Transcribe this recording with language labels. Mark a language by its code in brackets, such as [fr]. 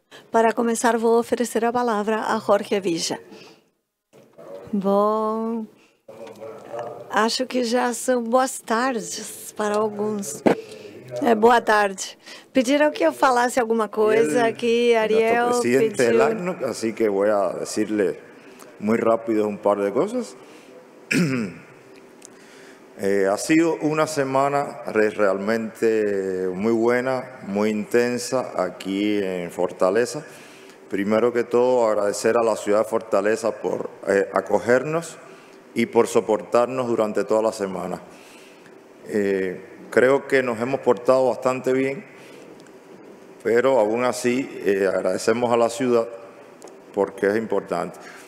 [es] Para comenzar, voy a ofrecer la palabra a Jorge Villa. [pt] Bom, acho que já são boas tardes para alguns. É boa tarde. Pediram que eu falasse alguma coisa aqui, Ariel. Nosso presidente pediu. Do LACNIC, assim que vou dizer-lhe muito rápido um par de coisas. [es] Ha sido [pt] uma semana realmente muito boa, muito intensa aqui em Fortaleza. [es] Primero que todo, agradecer a la ciudad de Fortaleza por acogernos y por soportarnos durante toda la semana. Creo que nos hemos portado bastante bien, pero aún así agradecemos a la ciudad porque es importante.